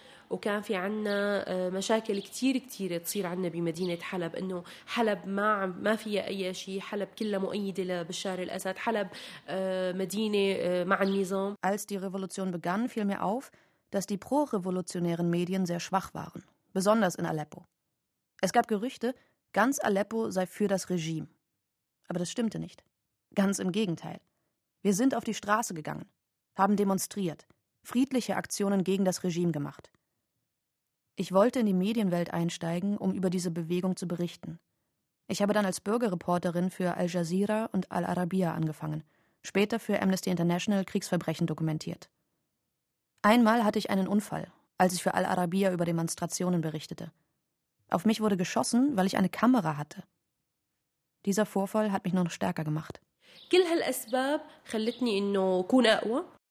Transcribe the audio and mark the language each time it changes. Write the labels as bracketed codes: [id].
[ar] وكان في عنا مشاكل كتير كتير تصير عنا بمدينة حلب إنه حلب ما فيها أي شيء حلب كلها مؤيدة لبشار الأسد حلب مدينة مع النظام. [de] Als die Revolution begann, fiel mir auf, dass die pro-revolutionären Medien sehr schwach waren, besonders in Aleppo. Es gab Gerüchte, ganz Aleppo sei für das Regime. Aber das stimmte nicht. Ganz im Gegenteil. Wir sind auf die Straße gegangen, haben demonstriert, friedliche Aktionen gegen das Regime gemacht. Ich wollte in die Medienwelt einsteigen, um über diese Bewegung zu berichten. Ich habe dann als Bürgerreporterin für Al Jazeera und Al Arabiya angefangen, später für Amnesty International Kriegsverbrechen dokumentiert. Einmal hatte ich einen Unfall, als ich für Al Arabiya über Demonstrationen berichtete. Auf mich wurde geschossen, weil ich eine Kamera hatte. Dieser Vorfall hat mich nur noch stärker gemacht. [ar] كل هالأسباب خلتني إنه أكون أقوى.